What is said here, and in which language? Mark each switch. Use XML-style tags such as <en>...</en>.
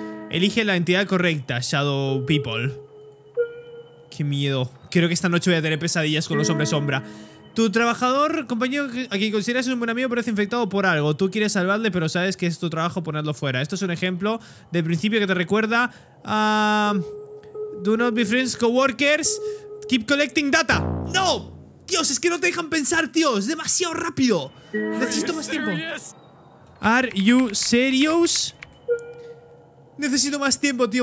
<es>Elige la entidad correcta, Shadow People. Qué miedo. Creo que esta noche voy a tener pesadillas con los hombres sombra. Tu trabajador, compañero a quien consideras un buen amigo, parece infectado por algo. Tú quieres salvarle, pero sabes que es tu trabajo ponerlo fuera. Esto es un ejemplo del principio que te recuerda a...</es> <en>Do not be friends, coworkers. Keep collecting data. ¡No!</en> <es>¡Dios, es que no te dejan pensar, tío! ¡Es demasiado rápido! Necesito más tiempo.</es> <en>Are you serious?</en> <es>Necesito más tiempo, tío.</es>